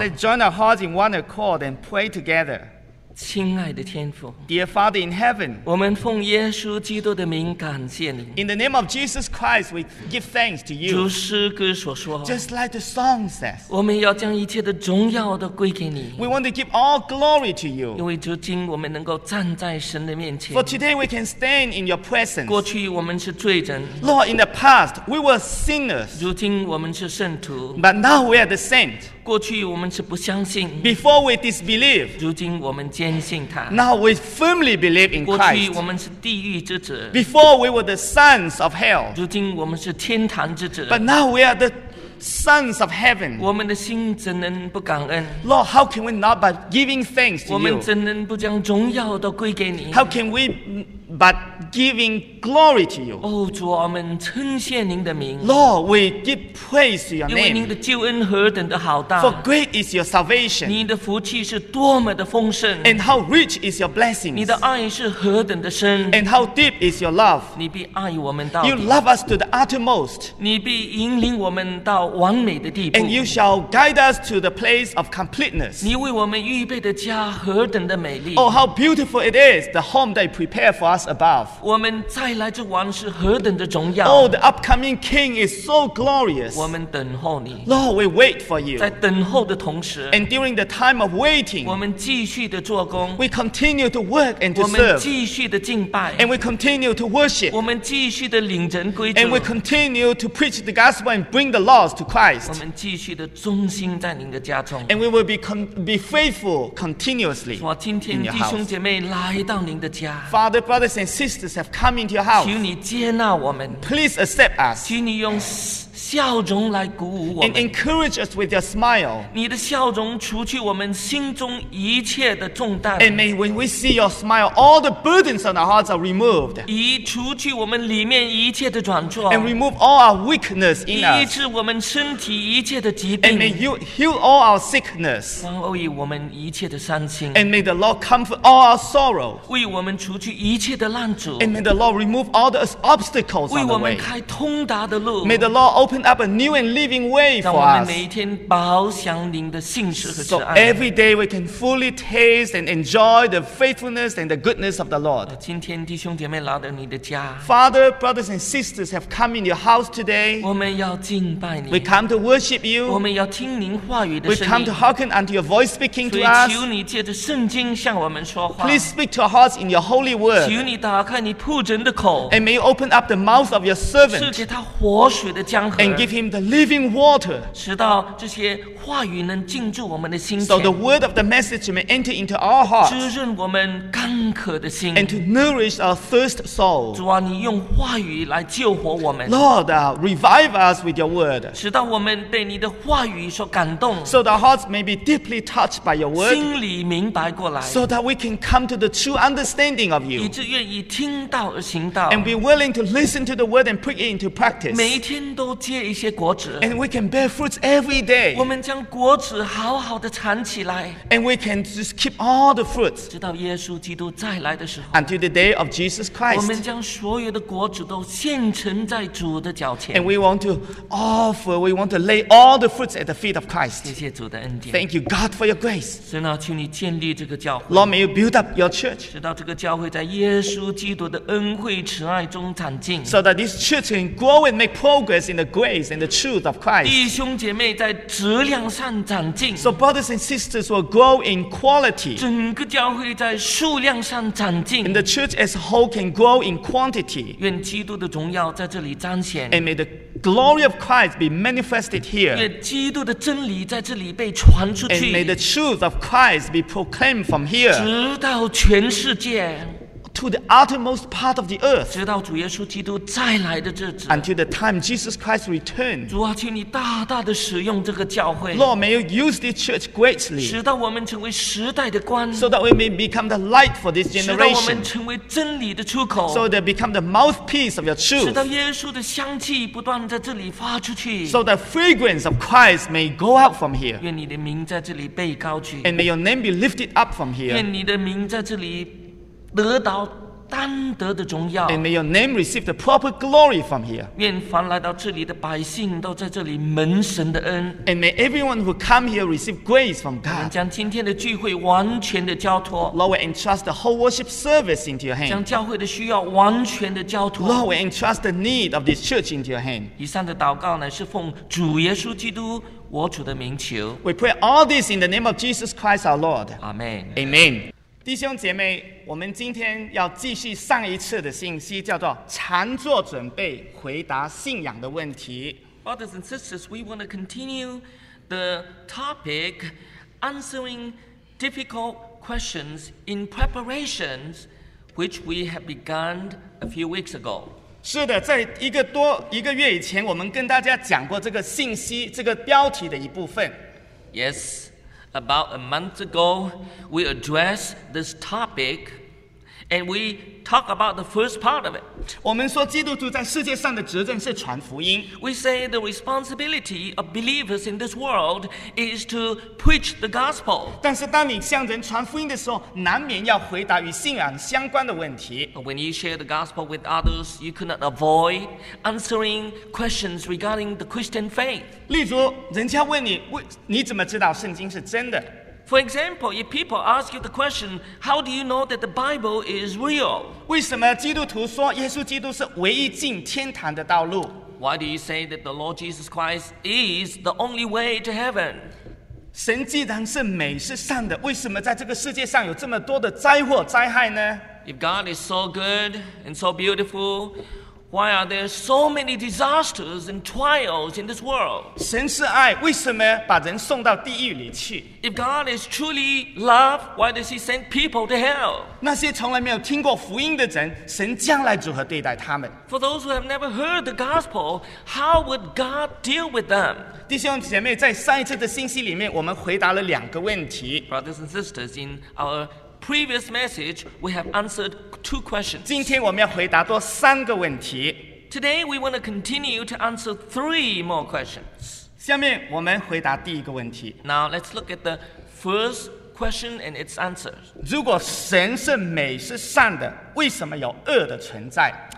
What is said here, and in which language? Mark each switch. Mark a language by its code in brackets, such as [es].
[en] Let's join our hearts in one accord and pray together. [zh] 亲爱的天父 [en] ，Dear Father in heaven, [zh] 我们奉耶稣基督的名感谢你。 [en] In the name of Jesus Christ, we give thanks to you. [zh] 如诗歌所说 [en] ，Just like the song says, [zh] 我们要将一切的荣耀都归给你。 [en] We want to give all glory to you. [zh] 因为如今我们能够站在神的面前。 [en] For today we can stand in your presence. [zh] 过去我们是罪人。 [en] Lord, in the past we were sinners. [zh] 如今我们是圣徒。 [en] But now we are the saint. [zh] 过去我们是不相信 [en] ，Before we disbelieve， [zh] 如今我们坚信他 [en] ，Now we firmly believe in Christ。 [zh] 过去我们是地狱之子 [en] ，Before we were the sons of hell， [zh] 如今我们是天堂之子 [en] ，But now we are the sons of heaven. [zh] 我们的心怎能不感恩？ [en] Lord, how can we not but giving thanks to you? [zh] 我们怎能不将荣耀都归给你？ [en] How can we but giving glory to you? [zh] 哦，主，我们称谢您的名。 [en] Lord, we give praise to your name. [zh] 因为您的救恩何等的浩大。 [en] For great is your salvation. [zh] 你的福气是多么的丰盛。 [en] And how rich is your blessings. [zh] 你的爱是何等的深。 [en] And how deep is your love. [zh] 你必爱我们到底。 [en] You love us to the uttermost. [zh] 你必引领我们到完美的地步。 [en] And you shall guide us to the place of completeness. [zh] 你为我们预备的家何等的美丽。 [en] Oh, how beautiful it is, the home that you prepare for us above. [zh] 我们再来之王是何等的荣耀。 [en] Oh, the upcoming king is so glorious. [zh] 我们等候你。 [en] Lord, we wait for you. [zh] 在等候的同时。 [en] And during the time of waiting, [zh] 我们继续的做工。 [en] We continue to work and to serve. [zh] 我们继续的敬拜。 [en] And we continue to worship. [zh] 我们继续的领人归主。 [en] And we continue to preach the gospel and bring the lost to Christ. [zh] 我们继续的忠心在您的家中。 [en] And we will be faithful continuously. [zh] 我今天弟兄姐妹来到您的家。 [en] Father, brothers and sisters have come into your house. [zh] 求你接纳我们。 [en] Please accept us. [zh] 求你用笑容来鼓舞我们。 [en] And encourage us with your smile. [zh] 你的笑容除去我们心中一切的重担。 [en] And may when we see your smile, all the burdens on our hearts are removed. [zh] 移除去我们里面一切的软弱。 [en] And remove all our weakness in us. [zh] 医治我们身体一切的疾病。 [en] And may you heal all our sickness. [zh] 玩偶于我们一切的伤心。 [en] And may the Lord comfort all our sorrows. [zh] 为我们除去一切的拦阻。 [en] And may the Lord remove all the obstacles on the way. [zh] 为我们开通达的路。 [en] May the Lord open up a new and living way for us. [zh] 让我们每一天饱享您的信实和慈爱。 [en] So every day we can fully taste and enjoy the faithfulness and the goodness of the Lord. [zh] 今天弟兄姐妹来到你的家。 [en] Father, brothers and sisters have come in your house today. [zh] 我们要敬拜你。 [en] We come to worship you. [zh] 我们要听您话语的声音。 [en] We come to hearken unto your voice speaking to us. [zh] 所以求你借着圣经向我们说话。 [en] Please speak to our hearts in your holy word. [zh] 求你打开你仆人的口。 [en] And may you open up the mouth of your servant. [zh] 赐给他活水的江河。 [en] And give him the living water. [zh] 直到这些话语能进驻我们的心。 [en] So the word of the message may enter into our hearts. [zh] 滋润我们干渴的心。 [en] And to nourish our thirst soul. [zh] 主啊，你用话语来救活我们。 [en] Lord, revive us with your word. [zh] 直到我们被你的话语所感动。 [en] So that our hearts may be deeply touched by your word. [zh] 心里明白过来。 [en] So that we can come to the true understanding of you. [zh] 以致愿意听道而行道。 [en] And be willing to listen to the word and put it into practice. [zh] 每一天都结一些果子。 [en] And we can bear fruits every day. [zh] 我们将果子好好的藏起来。 [en] And we can just keep all the fruits. [zh] 直到耶稣基督再来的时候。 [en] Until the day of Jesus Christ. [zh] 我们将所有的果子都献呈在主的脚前。 [en] And we want to offer, we want to lay all the fruits at the feet of Christ. [zh] 谢谢主的恩典。 [en] Thank you God for your grace. [zh] 神啊，求你建立这个教会。 [en] Lord, may you build up your church. [zh] 直到这个教会在耶稣基督的恩惠慈爱中长进。 [en] So that this church can grow and make progress in the grace and the truth of Christ. [zh] 弟兄姐妹在质量上长进。 [en] So brothers and sisters will grow in quality. [zh] 整个教会在数量上长进。 [en] And the church as a whole can grow in quantity. [zh] 愿基督的荣耀在这里彰显。 [en] And may the glory of Christ be manifested here. [zh] 愿基督的真理在这里被传出去。 [en] And may the truth of Christ be proclaimed from here. [zh] 直到全世界。 [en] To the uttermost part of the earth. [zh] 直到主耶稣基督再来的日子。 [en] Until the time Jesus Christ returns. [zh] 主啊，请你大大的使用这个教会。 [en] Lord, may you use this church greatly. [zh] 使到我们成为时代的光。 [en] So that we may become the light for this generation. [zh] 使到我们成为真理的出口。 [en] So that become the mouthpiece of your truth. [zh] 使到耶稣的香气不断在这里发出去。 [en] So that fragrance of Christ may go out from here. [zh] 愿你的名在这里被高举。 [en] And may your name be lifted up from here. [zh] 愿你的名在这里得到单得的荣耀。 [en] And may your name receive the proper glory from here. [zh] 愿凡来到这里的百姓都在这里蒙神的恩。 [en] And may everyone who come here receive grace from God. [zh] 我们将今天的聚会完全的交托。 [en] Lord, we entrust the whole worship service into your hand. [zh] 将教会的需要完全的交托。 [en] Lord, we entrust the need of this church into your hand. [zh] 以上的祷告乃是奉主耶稣基督我主的名求。 [en] We pray all this in the name of Jesus Christ our Lord. Amen. Amen. [zh] 弟兄姐妹，我们今天要继续上一次的信息，叫做禅坐准备回答信仰的问题。 [en] Brothers and sisters, we want to continue the topic answering difficult questions in preparations which we have begun a few weeks ago. [zh] 是的，在一个多一个月以前，我们跟大家讲过这个信息，这个标题的一部分。 [en] Yes, about a month ago, we addressed this topic, and we talked about the first part of it. [zh] 我们说基督徒在世界上的职责是传福音。 [en] We say the responsibility of believers in this world is to preach the gospel. [zh] 但是当你向人传福音的时候，难免要回答与信仰相关的问题。 [en] When you share the gospel with others, you cannot avoid answering questions regarding the Christian faith. [zh] 例如，人家问你，你怎么知道圣经是真的？ [en] For example, if people ask you the question, how do you know that the Bible is real? [zh] 为什么基督徒说耶稣基督是唯一进天堂的道路？ [en] Why do you say that the Lord Jesus Christ is the only way to heaven? [zh] 神既然是美是善的，为什么在这个世界上有这么多的灾祸灾害呢？ [en] If God is so good and so beautiful, why are there so many disasters and trials in this world? [zh] 神是爱，为什么把人送到地狱里去？ [en] If God is truly love, why does He send people to hell? [zh] 那些从来没有听过福音的人，神将来如何对待他们？ [en] For those who have never heard the gospel, how would God deal with them? [zh] 弟兄姐妹，在上一次的信息里面，我们回答了两个问题。 [en] Brothers and sisters, in our previous message, we have answered two questions. [zh] 今天我们要回答多三个问题。 [en] Today, we want to continue to answer three more questions. [zh] 下面我们回答第一个问题。 [en] Now, let's look at the first question and its answers. [zh] 如果神是美是善的，为什么有恶的存在？